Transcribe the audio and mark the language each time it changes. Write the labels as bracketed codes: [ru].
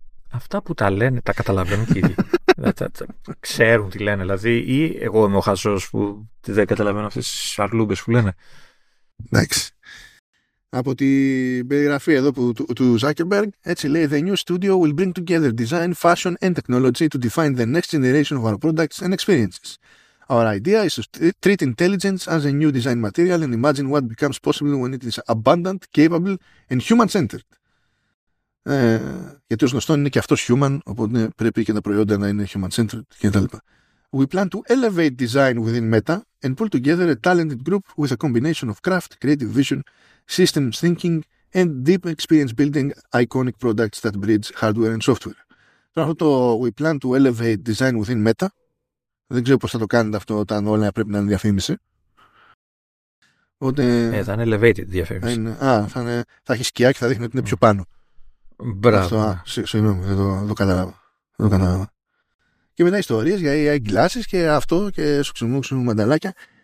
[el] Αυτά που τα λένε, τα καταλαβαίνουν και οι ξέρουν τι λένε, δηλαδή, ή εγώ είμαι ο χαζός που δεν καταλαβαίνω αυτές τις αρλούμπες που λένε. Εντάξει. Από την περιγραφή εδώ του Zuckerberg, έτσι λέει, [en] the new studio will bring together design, fashion and technology to define the next generation of our products and experiences. Our idea is to treat intelligence as a new design material and imagine what becomes possible when it is abundant, capable and human-centered. [el] Γιατί ως γνωστό είναι και αυτός human, οπότε πρέπει και τα προϊόντα να είναι human-centered κτλ. [en] We plan to elevate design within Meta and pull together a talented group with a combination of craft, creative vision, systems thinking and deep experience building iconic products that bridge hardware and software. [el] Τώρα αυτό το [en] we plan to elevate design within Meta, [el] δεν ξέρω πώς θα το κάνετε αυτό όταν όλα πρέπει να είναι διαφήμιση. Οπότε, θα είναι elevated διαφήμιση. Θα έχει σκιά και θα δείχνει ότι είναι πιο πάνω. Μπράβο. Αυτό, συγγνώμη, δεν το κατάλαβα. Και μετά ιστορίες για AI glasses και αυτό και σου ξυμούξουν μανταλάκια.